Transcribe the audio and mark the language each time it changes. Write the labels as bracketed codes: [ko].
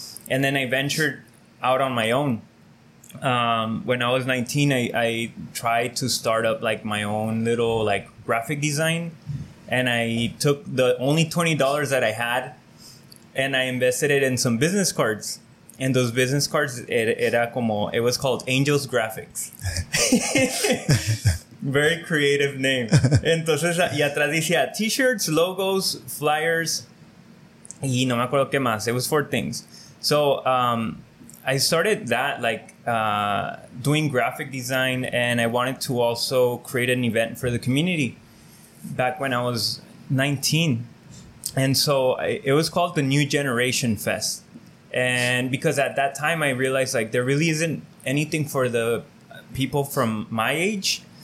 [en] And then I ventured out on my own. When I was 19, I tried to start up like my own little like graphic design, and I took the only $20 that I had and I invested it in some business cards, and those business cards, it was called Angel's Graphics. Very creative name. [es] Entonces, y atrás decía t-shirts, logos, flyers, y no me acuerdo qué más. [en] It was four things. So, I started that, like, doing graphic design, and I wanted to also create an event for the community back when I was 19. And so it was called the New Generation Fest. And because at that time I realized, like, there really isn't anything for the people from my age.